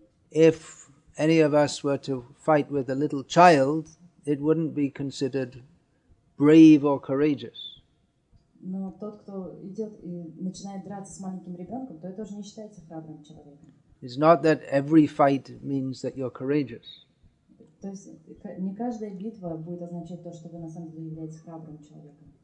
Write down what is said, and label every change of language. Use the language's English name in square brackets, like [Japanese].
[English] If any of us were to fight with a little child, it wouldn't be considered brave or courageous. [Russian] Но тот, кто идет и начинает драться с маленьким ребенком, то это уже не считается храбрым человеком. [English] It's not that every fight means that you're courageous. [Russian] То есть не каждая битва будет означать то, что вы на самом деле являетесь храбрым человеком.